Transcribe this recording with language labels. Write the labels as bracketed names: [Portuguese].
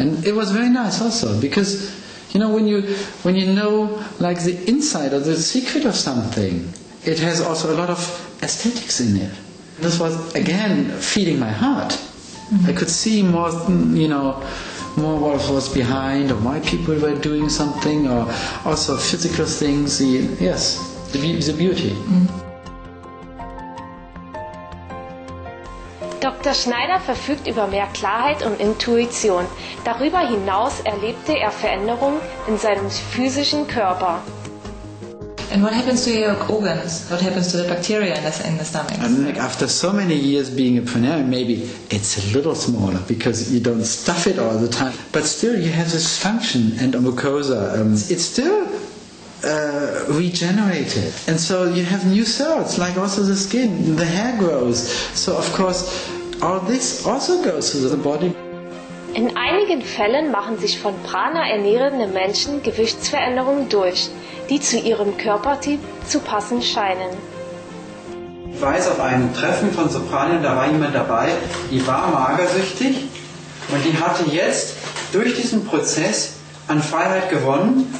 [English] And it was very nice also, because when you know like the inside or the secret of something, it has also a lot of aesthetics in it. This was, again, feeding my heart. Mm-hmm. I could see more, more what was behind, or why people were doing something, or also physical things, the beauty. [German] Dr. Schneider verfügt über mehr Klarheit und Intuition. Darüber hinaus erlebte er Veränderungen in seinem physischen Körper. [English] And what happens to your organs? What happens to the bacteria in the stomach? And after so many years being a planetary, maybe it's a little smaller because you don't stuff it all the time. But still, you have this function and a mucosa. It's still regenerated. And so you have new cells, like also the skin, the hair grows. So of course, all this also goes to the body. [German] In einigen Fällen machen sich von Prana ernährende Menschen Gewichtsveränderungen durch, die zu ihrem Körpertyp zu passen scheinen. Ich weiß, auf einem Treffen von Sopranien, da war jemand dabei, die war magersüchtig und die hatte jetzt durch diesen Prozess an Freiheit gewonnen.